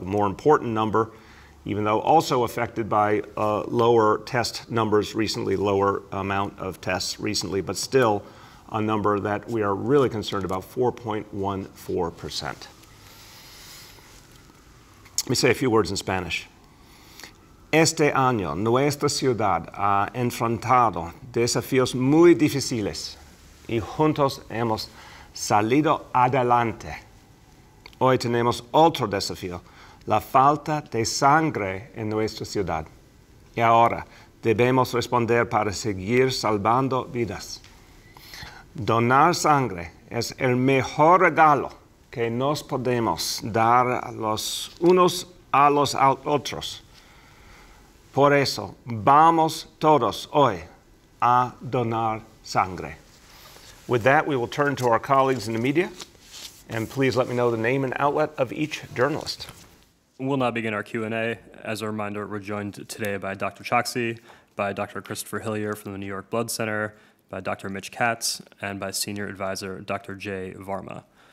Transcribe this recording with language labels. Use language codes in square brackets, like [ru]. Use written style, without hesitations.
[en] The more important number, even though also affected by lower test numbers recently, lower amount of tests recently, but still a number that we are really concerned about, 4.14%. Let me say a few words in Spanish. [es] Este año, nuestra ciudad ha enfrentado desafíos muy difíciles y juntos hemos salido adelante. Hoy tenemos otro desafío, la falta de sangre en nuestra ciudad. Y ahora debemos responder para seguir salvando vidas. Donar sangre es el mejor regalo que nos podemos dar los unos a los otros. Por eso, vamos todos hoy a donar sangre. [en] With that, we will turn to our colleagues in the media. And please let me know the name and outlet of each journalist. We'll now begin our Q&A. As a reminder, we're joined today by Dr. Choksi, by Dr. Christopher Hillier from the New York Blood Center, by Dr. Mitch Katz, and by senior advisor Dr. Jay Varma.